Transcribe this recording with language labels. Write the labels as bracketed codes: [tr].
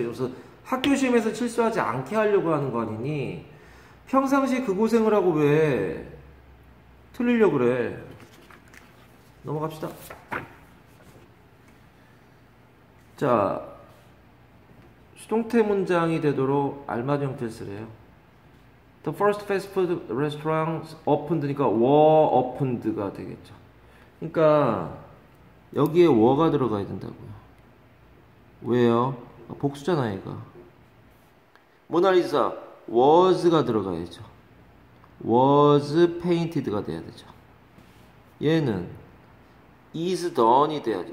[ko] 이러면서 학교 시험에서 실수하지 않게 하려고 하는 거 아니니? 평상시에 그 고생을 하고 왜 틀리려고 그래? 넘어갑시다. 자, 수동태 문장이 되도록 알맞은 형태를 쓰래요. [en] The first fast food restaurant opened니까 were opened가 [ko] 되겠죠. 그러니까 여기에 were가 들어가야 된다고요. 왜요? 복수잖아요, 얘가. 모나리자 was가 들어가야죠. was painted가 돼야 되죠. 얘는 is done이 돼야죠.